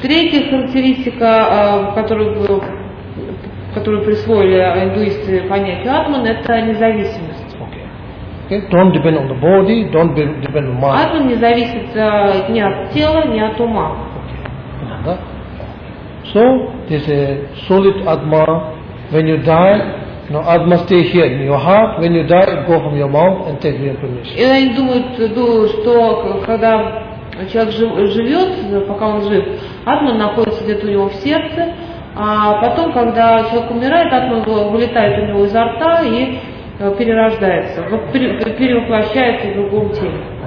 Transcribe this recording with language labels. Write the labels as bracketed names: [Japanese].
[Russian] Третья характеристика, которую присвоили индуисты понятию Атман, это независимость. [English] Okay. Don't depend on the body, don't depend on mind. [Russian] Атман не зависит ни от тела, ни от ума. [English] So, there's a solid Atma. When you die, no, Atma stay here in your heart. When you die, go from your mouth and take reincarnation. [Russian] И они думают, что когда человек живет, пока он жив, Атма находится где-то у него в сердце, а потом, когда человек умирает, Атма вылетает у него изо рта и перерождается, перевоплощается в другом теле.